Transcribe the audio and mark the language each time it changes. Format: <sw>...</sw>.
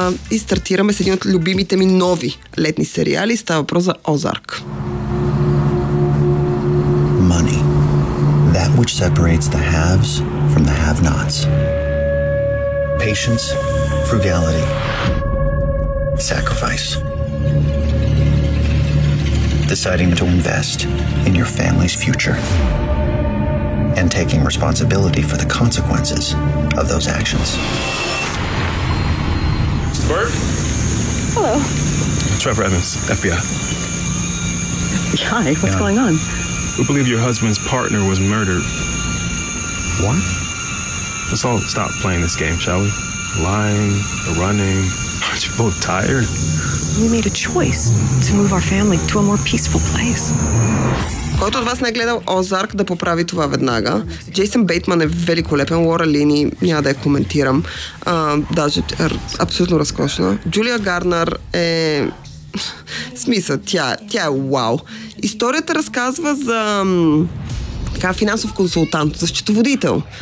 <bg>И стартираме с един от любимите ми нови летни сериали. Става въпрос за Озарк.</bg> <en>Money. That which separates the haves from the have-nots. Patience, frugality, sacrifice. Deciding to invest in your family's future. And taking responsibility for the consequences of those actions. Bert? Hello. Trevor Evans, FBI. FBI? What's going on? We believe your husband's partner was murdered. What? Let's all stop playing this game, shall we? Lying, running, aren't you both tired? We made a choice to move our family to a more peaceful place.</en> <bg>Който от вас не е гледал Озарк, да поправи това веднага. Джейсън Бейтман е великолепен, Лора Лини, няма да я коментирам. Даже абсолютно разкошна. Джулия Гарнър е... смисъл, тя е вау. Историята разказва за така финансов консултант, за счетоводител.</bg>